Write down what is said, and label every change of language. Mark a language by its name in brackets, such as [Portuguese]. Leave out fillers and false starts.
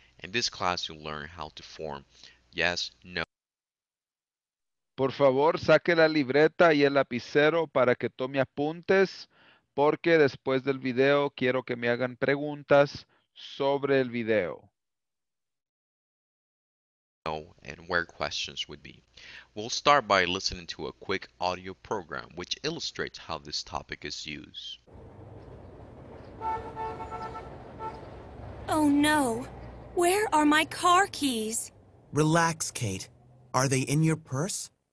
[English] In this class you'll learn how to form yes, no. [Spanish] Por favor, saque la libreta y el lapicero para que tome apuntes, porque después del video quiero que me hagan preguntas sobre el video. [English] No, and where questions would be. We'll start by listening to a quick audio program which illustrates how this topic is used. Oh no, where are my car keys? Relax, Kate. Are they in your purse?